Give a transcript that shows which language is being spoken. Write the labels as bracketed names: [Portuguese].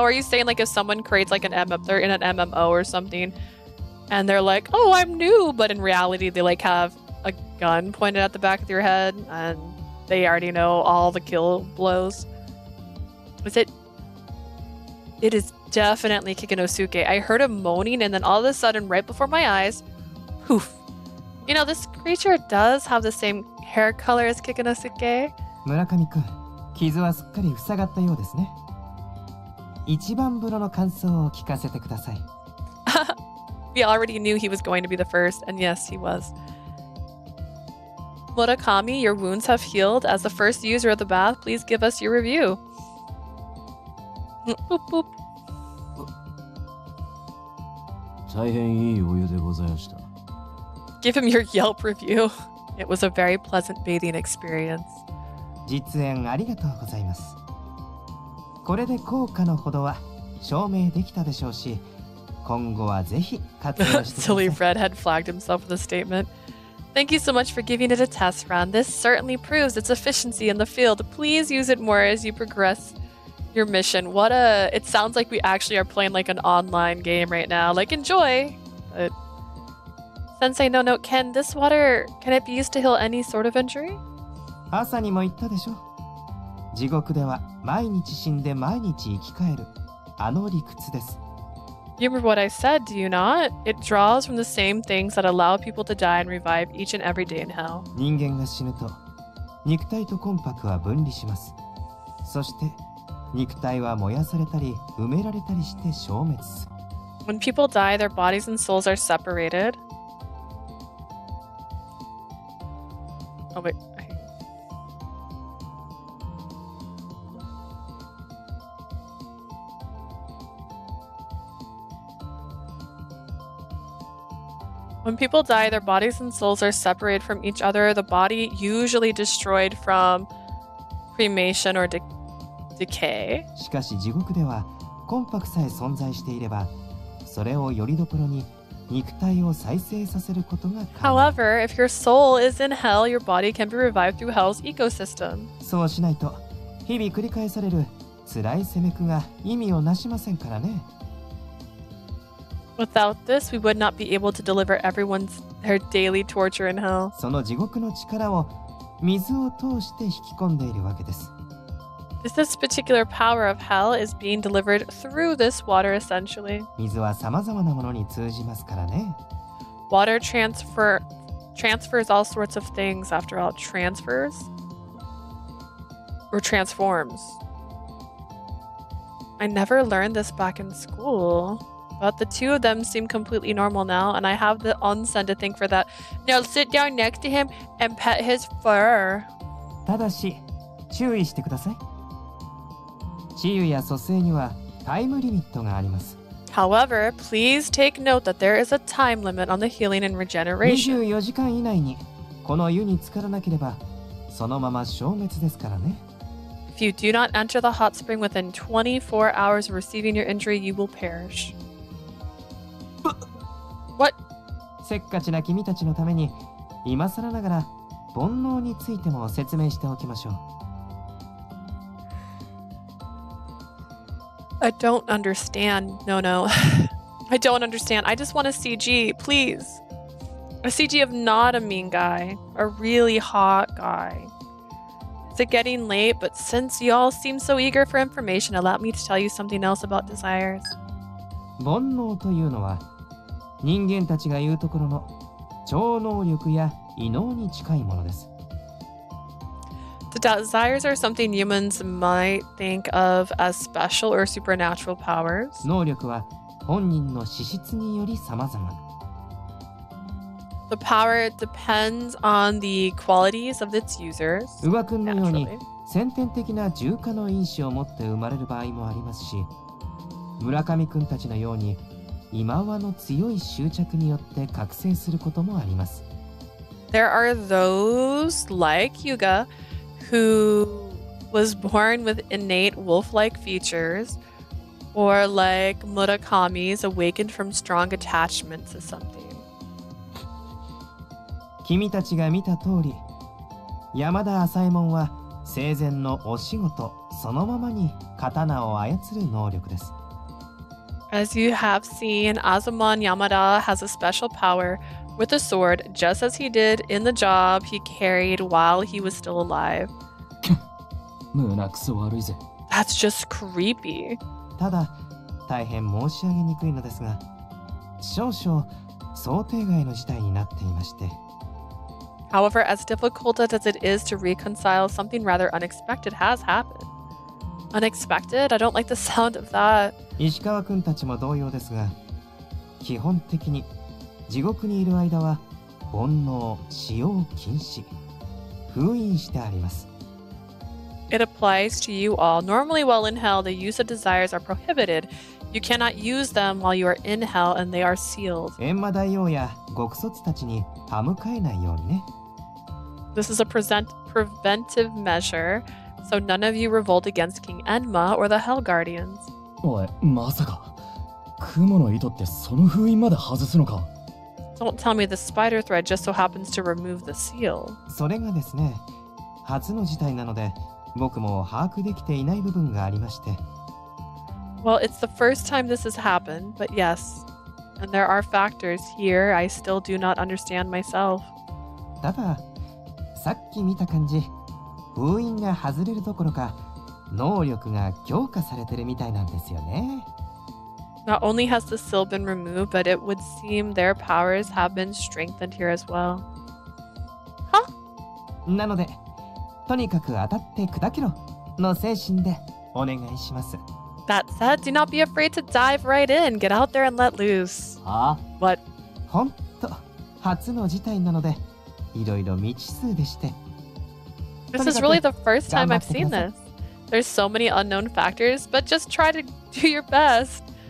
[English] Oh, are you saying like if someone creates like an MMO, they're in an MMO or something, and they're like, oh, I'm new, but in reality, they like have a gun pointed at the back of your head, and they already know all the kill blows? Is it? It is definitely Kikunosuke. I heard him moaning, and then all of a sudden, right before my eyes, poof. You know, this creature does have the same hair color as Kikunosuke. Murakami-kun. [Japanese] 傷はすっかり塞がったようですね。一番風呂の感想を聞かせてください。 [English] We already knew he was going to be the first, and yes, he was. Murakami, your wounds have healed. As the first user of the bath, please give us your review. Boop, boop. [Japanese] 大変いいお湯でございました。 [English] Give him your Yelp review. It was a very pleasant bathing experience. [Japanese] 実演ありがとうございます。これで効果のほどは証明できたでしょうし、今後はぜひ活用してください。 [English] Silly redhead flagged himself with a statement. Thank you so much for giving it a test run. This certainly proves its efficiency in the field. Please use it more as you progress your mission. What a... It sounds like we actually are playing like an online game right now. Like, enjoy! But... Sensei, no, no. Can this water... Can it be used to heal any sort of injury? [Japanese] 朝にも言ったでしょ。地獄では毎日死んで毎日生き返るあの理屈です。 [English] You remember what I said, do you not? It draws from the same things that allow people to die and revive each and every day in hell. [Japanese] 人間が死ぬと肉体と魂魄は分離します。そして肉体は燃やされたり埋められたりして消滅する。 [English] When people die, their bodies and souls are separated. Oh, wait. When people die, their bodies and souls are separated from each other. The body usually destroyed from cremation or decay. [Japanese] しかし地獄では魂魄さえ存在していればそれをよりどころに肉体を再生させることが可能。 [English] However, if your soul is in hell, your body can be revived through hell's ecosystem. [Japanese] そうしないと日々繰り返される辛い攻め苦が意味をなしませんからね。 [English] Without this, we would not be able to deliver everyone's their daily torture in hell. [Japanese] その地獄の力を水を通して引き込んでいるわけです。 [English] This particular power of hell is being delivered through this water, essentially. [Japanese] 水は様々なものに通じますからね。 [English] Water transfers all sorts of things, after all. Transfers? Or transforms? I never learned this back in school. But the two of them seem completely normal now, and I have the Onsen to thank for that. Now sit down next to him and pet his fur. [Japanese] ただし、注意してください。治癒や蘇生にはタイムリミットがあります。 [English] However, please take note that there is a time limit on the healing and regeneration. [Japanese] 24時間以内にこの湯に浸からなければそのまま消滅ですからね。 [English] If you do not enter the hot spring within 24 hours of receiving your injury, you will perish. What? [Japanese] せっかちな君たちのために今更ながら煩悩についても説明しておきましょう。 [English] I don't understand. No, no. I don't understand. I just want a CG, please. A CG of not a mean guy, a really hot guy. Is it getting late? But since y'all seem so eager for information, allow me to tell you something else about desires. [Japanese] 煩悩というのは、人間たちが言うところの超能力や異能に近いものです。 [English] The desires are something humans might think of as special or supernatural powers. [Japanese] 能力は本人の資質により様々。 [English] The power depends on the qualities of its users. [Japanese] 宇和君のように先天的な獣化の因子を持って生まれる場合もありますし、村上君たちのように今はの強い執着によって覚醒することもあります。 [English] There are those like Yuga. Who was born with innate wolf-like features, or like Murakami's awakened from strong attachments to something. [Japanese] 君たちが見た通り、山田朝右衛門は生前のお仕事そのままに刀を操る能力です。 [English] As you have seen, Asamon Yamada has a special power. With a sword, just as he did in the job he carried while he was still alive. That's just creepy. [Japanese] ただ、大変申し上げにくいのですが、少々想定外の事態になっていまして。 [English] However, as difficult as it is to reconcile, something rather unexpected has happened. Unexpected? I don't like the sound of that. [Japanese] 石川君たちも同様ですが、基本的に地獄にいる間は煩悩使用禁止封印してあります。 [English] It applies to you all. Normally while in hell, the use of desires are prohibited. You cannot use them while you are in hell and they are sealed. [Japanese] 閻魔大王や獄卒たちに歯向かえないようにね。 [English] This is a preventive measure, so none of you revolt against King Enma or the Hell Guardians. [Japanese] おい、まさか雲の糸ってその封印まで外すのか。 [English] Don't tell me the spider thread just so happens to remove the seal. [Japanese] それがですね、初の事態なので、僕も把握できていない部分がありまして。 [English] Well, it's the first time this has happened, but yes. And there are factors here I still do not understand myself. [Japanese] ただ、さっき見た感じ、封印が外れるどころか、能力が強化されてるみたいなんですよね。 [English] Not only has the seal been removed, but it would seem their powers have been strengthened here as well. Huh? [Japanese] なので、とにかく当たって砕けろの精神でお願いします。 [English] That said, do not be afraid to dive right in. Get out there and let loose. Huh? What? [Japanese] 本当、初の事態なので、いろいろ未知数でして。 [English] This is really the first time I've seen this. There's so many unknown factors, but just try to do your best.